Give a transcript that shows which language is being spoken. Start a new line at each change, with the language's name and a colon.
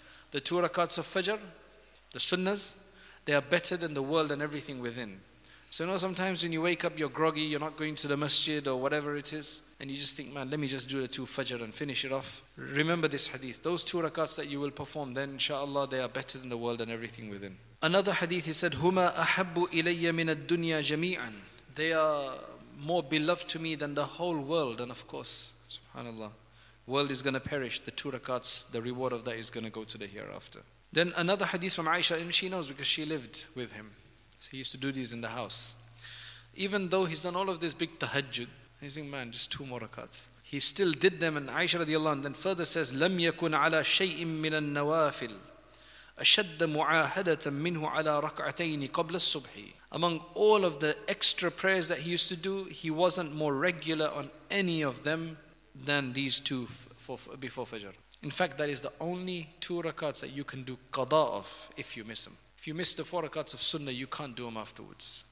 English: The two rakats of Fajr, the sunnahs, they are better than the world and everything within. So you know sometimes when you wake up, you're groggy, you're not going to the masjid or whatever it is, and you just think, man, let me just do the two fajr and finish it off. Remember this hadith. Those two rakats that you will perform, then inshallah, they are better than the world and everything within. Another hadith, he said,
Arabic: هُمَا أَحَبُّ إِلَيَّ مِنَ الدُّنْيَا جَمِيعًا.
English: They are more beloved to me than the whole world. And of course, subhanAllah, world is going to perish. The two rakats, the reward of that is going to go to the hereafter. Then another hadith from Aisha, and she knows because she lived with him. So he used to do these in the house. Even though he's done all of this big tahajjud, he's thinking, man, just two more rakats. He still did them, and Aisha radiallahu anh then further says,
Arabic: لَمْ يَكُنْ عَلَى شَيْءٍ مِّنَ النَّوَافِلِ أَشَدَّ مُعَاهَدَةً مِّنْهُ عَلَى رَكْعَتَيْنِ قَبْلَ الصُّبْحِ.
English: Among all of the extra prayers that he used to do, he wasn't more regular on any of them than these two before Fajr. In fact, that is the only two rakats that you can do qada of if you miss them. If you miss the four rakats of sunnah, you can't do them afterwards.